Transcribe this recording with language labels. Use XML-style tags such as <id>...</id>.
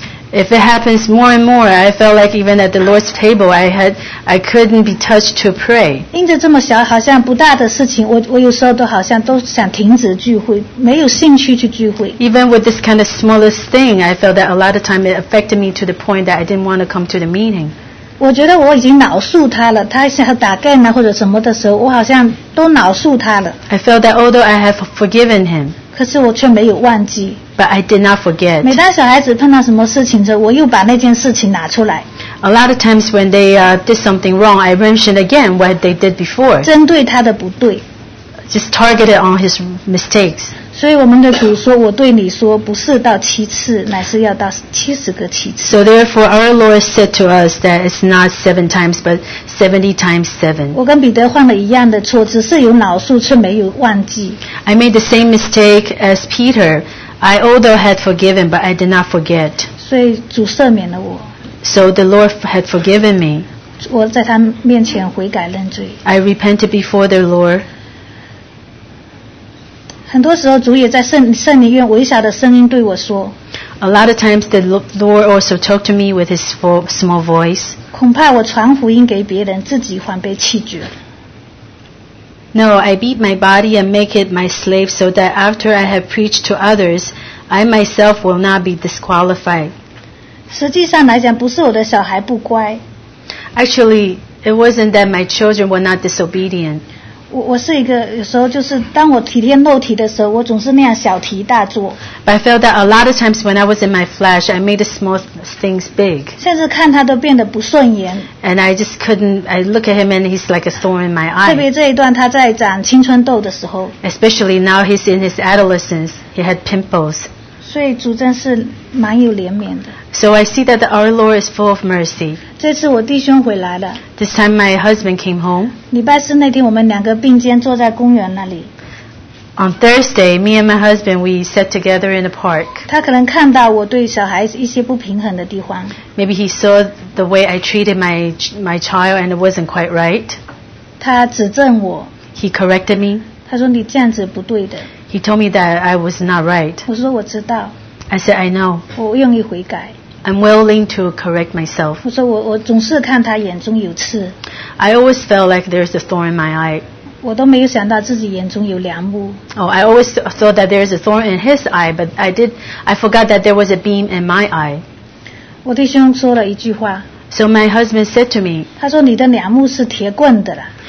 <en>If it happens more and more, I felt like even at the Lord's table, I couldn't be touched to pray.</en> <zh>因着这么小，好像不大的事情，我有时候都好像都想停止聚会，没有兴趣去聚会。</zh> <en>Even with this kind of smallest thing, I felt that a lot of time it affected me to the point that I didn't want to come to the meeting.</en> <zh>我觉得我已经饶恕他了，他想打干啊或者什么的时候，我好像都饶恕他了。</zh> <en>I felt that although I have forgiven him.</en> <zh>可是我却没有忘记。</zh> <en>But I did not forget.</en> <zh>每当小孩子碰到什么事情时，我又把那件事情拿出来。</zh> <en>A lot of times when they did something wrong, I mentioned again what they did before.</en> <zh>针对他的不对。</zh> <en>just targeted on his mistakes.</en> <zh>所以我们的主说，我对你说，不是到七次，乃是要到七十个七次。</zh> <en>So therefore, our Lord said to us that it's not seven times, but 70 times seven.</en> <zh>我跟彼得犯了一样的错，只是有饶恕却没有忘记。</zh> <en>I made the same mistake as Peter. I although had forgiven, but I did not forget.</en> <zh>所以主赦免了我。</zh> <en>So the Lord had forgiven me.</en> <zh>我在他面前悔改认罪。</zh> <en>I repented before the Lord.</en> <zh>很多时候主也在圣灵院微小的声音对我说,</zh> <en>a lot of times the Lord also talked to me with his small voice.</en> <zh>恐怕我传福音给别人，自己反被弃绝。</zh> <en>No, I beat my body and make it my slave so that after I have preached to others, I myself will not be disqualified.</en> <zh>实际上来讲，不是我的小孩不乖。</zh> <en>Actually, it wasn't that my children were not disobedient.</en> <zh>我是一个有时候就是当我体贴肉体的时候，我总是那样小题大做。</zh> <en>But I felt that a lot of times when I was in my flesh, I made the small things big.</en> <zh>甚至看他都变得不顺眼。</zh> <en>And I just couldn't. I look at him and he's like a thorn in my eye.</en> <zh>特别这一段他在长青春痘的时候。</zh> <en>Especially now he's in his adolescence, he had pimples.</en> <zh>所以主真是蛮有怜悯的。</zh> <en>So I see that our Lord is full of mercy.</en> <zh>这次我弟兄回来了。</zh> <en>This time my husband came home.</en> <zh>礼拜四那天我们两个并肩坐在公园那里。</zh> <en>On Thursday, me and my husband, we sat together in the park.</en> <zh>他可能看到我对小孩子一些不平衡的地方。</zh> <en>Maybe he saw the way I treated my child and it wasn't quite right.</en> <zh>他指正我。</zh> <en>He corrected me.</en> <zh>他说你这样子不对的。</zh> <en>He told me that I was not right.</en> <zh>我说我知道。</zh> <en>I said, I know.</en> <zh>我愿意悔改。</zh> <en>I'm willing to correct myself.</en> <zh>我说我总是看他眼中有刺。</zh> <en>I always felt like there's a thorn in my eye.</en> <zh>我都没有想到自己眼中有良木。</zh> <en>Oh, I always thought that there's a thorn in his eye, but I forgot that there was a beam in my eye.</en> <zh>我弟兄说了一句话。</zh> <en>So my husband said to me,</en> <zh>他说你的良木是铁棍的啦。</zh>